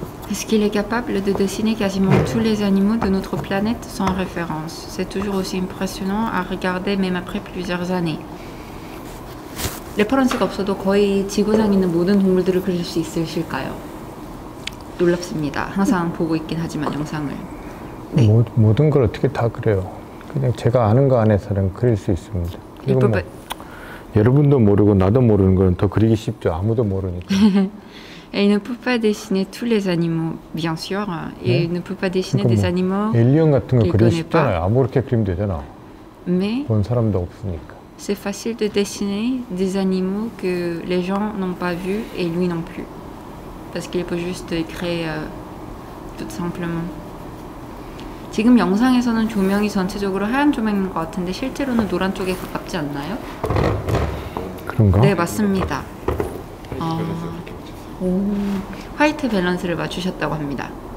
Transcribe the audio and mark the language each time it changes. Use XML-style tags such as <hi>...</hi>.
<fr>Est-ce qu'il est capable de dessiner quasiment tous les animaux de notre planète sans référence? C'est toujours aussi impressionnant à regarder même après plusieurs années.</fr> <ko>레퍼런스가 없어도 거의 지구상 있는 모든 동물들을 그릴 수 있으실까요? 놀랍습니다. 항상 보고 있긴 하지만 영상을. 네. 모든 걸 어떻게 다 그래요? 그냥 제가 아는 거 안에서는 그릴 수 있습니다. 그리고 뭐 여러분도 모르고 나도 모르는 건 더 그리기 쉽죠. 아무도 모르니까.</ko> <fr>Et il ne peut pas dessiner tous les animaux, bien sûr. Il ne peut pas dessiner des animaux.</fr> <ko>엘리언 같은 거 그리기 쉽잖아요. 아무렇게 그리면 되잖아.</ko> <fr>Mais</fr> <ko>본 사람도 없으니까.</ko> <fr>C'est facile de dessiner des animaux que les gens n'ont pas vu et lui non plus. Parce qu'il peut juste écrire tout simplement.</fr> <ko>지금 영상에서는 조명이 전체적으로 하얀 조명인 것 같은데 실제로는 노란 쪽에 가깝지 않나요? 그런가? 네, 맞습니다. 아, 오, 화이트 밸런스를 맞추셨다고 합니다.</ko>